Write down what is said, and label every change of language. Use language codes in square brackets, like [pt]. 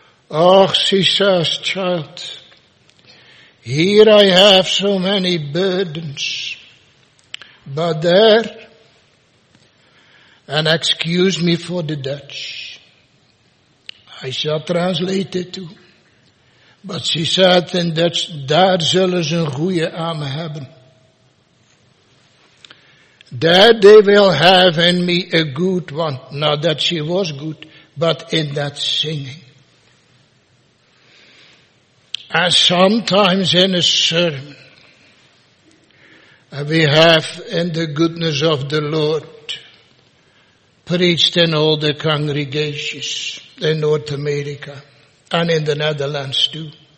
[en] Oh, she says, child, here I have so many burdens, but there, and excuse me for the Dutch, I shall translate it too. But she said in Dutch, [nl] daar zullen ze een goede arm hebben. [en] There they will have in me a good one. Not that she was good, but in that singing. And sometimes in a sermon, we have in the goodness of the Lord, preached in all the congregations in North America and in the Netherlands too.